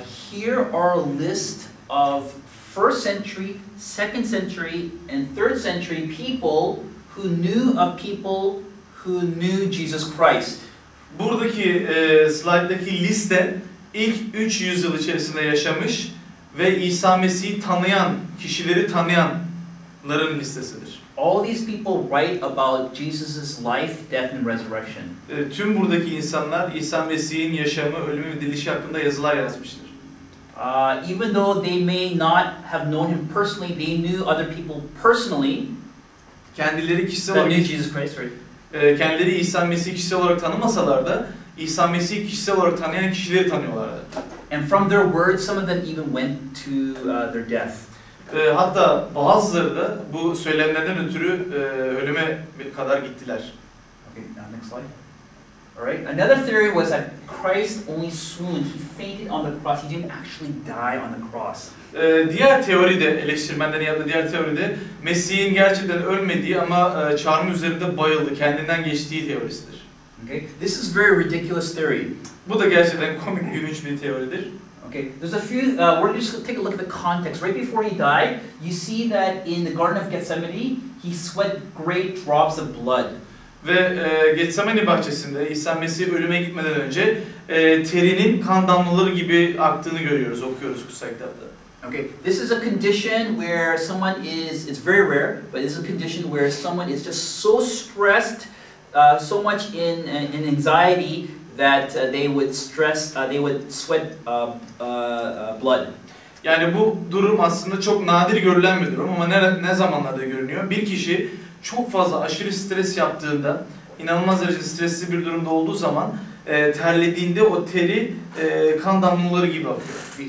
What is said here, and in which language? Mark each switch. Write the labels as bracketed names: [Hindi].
[English] Here are a list of 1st century, 2nd century and 3rd century people who knew of people who knew Jesus Christ. [Turkish] Buradaki slide'daki liste ilk 3 yüzyıl içerisinde yaşamış ve İsa Mesih'i tanıyan, kişileri tanıyan yazanların listesidir. [English] All these people write about Jesus's life, death and resurrection. [Turkish] Tüm buradaki insanlar İsa Mesih'in yaşamı, ölümü ve dirilişi hakkında yazılar yazmıştır. [English] Even though they may not have known him personally, they knew other people personally. [Turkish] Kendileri kişisel olarak [English] Jesus Christ, right? [Turkish] Kendileri İsa Mesih'i kişisel olarak tanımasalar da İsa Mesih'i kişisel olarak tanıyan kişileri tanıyorlardı. [English] And from their words, some of them even went to their death. [Turkish] Hatta bazıları da bu söylemlerden ötürü ölüme kadar gittiler. [English] Okay, now next slide. All right. Another theory was that Christ only swooned. He fainted on the cross. He didn't actually die on the cross. [Turkish] Diğer teoride, eleştirmenlerin yaptığı diğer teoride Mesih'in gerçekten ölmediği ama çarmı üzerinde bayıldı, kendinden geçtiği teorisidir. [English] Okay. This is very ridiculous theory. [Turkish] Bu da gerçekten komik gülünç bir teoridir. [English] Okay, there's a few, we're just going to take a look at the context. Right before he died, you see that in the Garden of Gethsemane, he sweat great drops of blood. [Turkish] Ve Getsemani bahçesinde İsa Mesih ölüme gitmeden önce terinin kan damlaları gibi aktığını görüyoruz, okuyoruz kutsal kitapta. [English] Okay, this is a condition where someone is, it's very rare, but this is a condition where someone is just so stressed, so much in anxiety, that they would sweat blood. [Turkish] Yani bu durum aslında çok nadir görülen bir durum ama ne zamanlarda görünüyor? Bir kişi çok fazla aşırı stres yaptığında, inanılmaz derecede stresli bir durumda olduğu zaman terlediğinde o teri kan damlaları gibi akıyor.